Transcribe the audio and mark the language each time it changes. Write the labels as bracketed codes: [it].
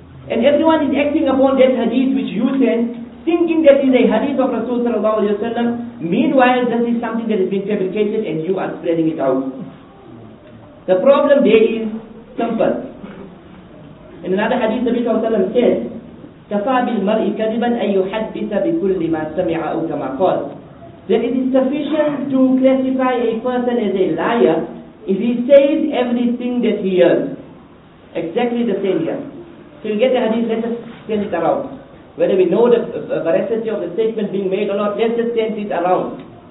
[en] And everyone is acting upon that hadith which you sent, thinking that is a hadith of Rasul sallallahu alayhi wa sallam, meanwhile this is something that has been fabricated and you are spreading it out. The problem there is simple. [ar] In another hadith, the Prophet sallallahu alayhi wa sallam says, كَفَى بِالْمَرْءِ كَذِبًا أَن يُحَدِّثَ بِكُلِّ مَا سَمِعَ أَوْ كَمَا قَالَ. [en] That it is sufficient to classify a person as a liar if he says everything that he heard. Exactly the same here. So you get the hadith, let us send it around. Whether we know the veracity of the statement being made or not, let's just send it around.